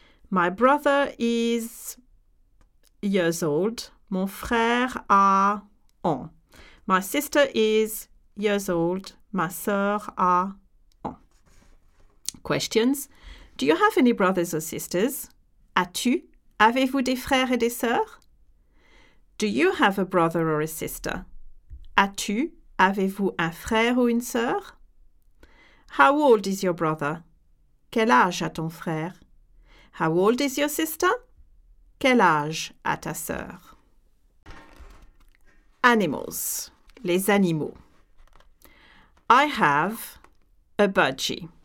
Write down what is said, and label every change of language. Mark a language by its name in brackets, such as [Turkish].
[English] My brother is years old. [French] Mon frère a ans. [English] My sister is years old. [French] Ma sœur a ans. Questions. [English] Do you have any brothers or sisters? [French] As-tu? Avez-vous des frères et des sœurs? [English] Do you have a brother or a sister? [French] As-tu? Avez-vous un frère ou une sœur? [English] How old is your brother? [French] Quel âge a ton frère? [English] How old is your sister? [French] Quel âge a ta sœur? [English] Animals. [French] Les animaux. [English] I have a budgie.